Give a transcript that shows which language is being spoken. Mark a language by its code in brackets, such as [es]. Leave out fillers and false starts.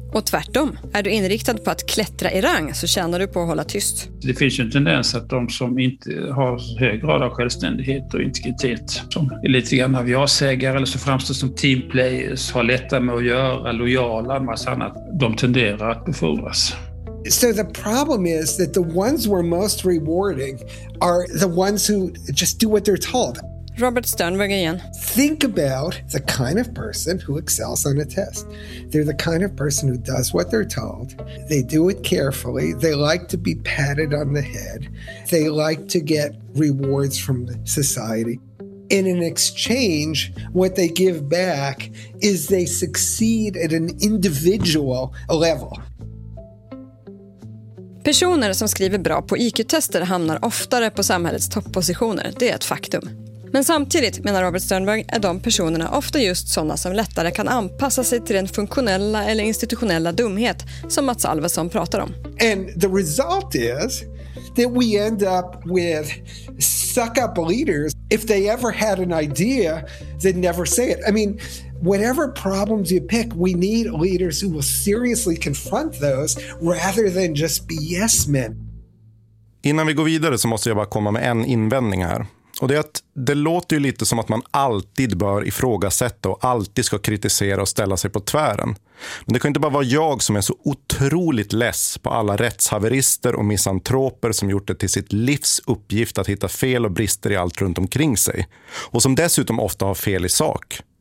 [sv] Och tvärtom, är du inriktad på att klättra i rang så tjänar du på att hålla tyst. Det finns ju en tendens att de som inte har hög grad av självständighet och integritet som är lite grann av jag-sägare eller så framstår som teamplayers, har lättare med att göra, lojala och massa annat, de tenderar att befordras. [en] So the problem is that the ones who are most rewarding are the ones who just do what they're told. [sv] Robert Sternberg igen. [en] Think about the kind of person who excels on a test. They're the kind of person who does what they're told. They do it carefully. They like to be patted on the head. They like to get rewards from society. In an exchange, what they give back is they succeed at an individual level. [sv] Personer som skriver bra på IQ-tester hamnar oftare på samhällets topppositioner. Det är ett faktum. Men samtidigt, menar Robert Sternberg, är de personerna ofta just sådana som lättare kan anpassa sig till den funktionella eller institutionella dumhet som Mats Alvesson pratar om. [en] And the result is that we end up with suck up leaders if they ever had an idea, they'd never say it. I mean, whatever problems you pick, we need leaders who will seriously confront those rather than just be yes men. [sv] Innan vi går vidare så måste jag bara komma med en invändning här. Och det är att det låter ju lite som att man alltid bör ifrågasätta och alltid ska kritisera och ställa sig på tvären. Men det kan inte bara vara jag som är så otroligt less på alla rättshaverister och misantroper som gjort det till sitt livs uppgift att hitta fel och brister i allt runt omkring sig. Och som dessutom ofta har fel i sak.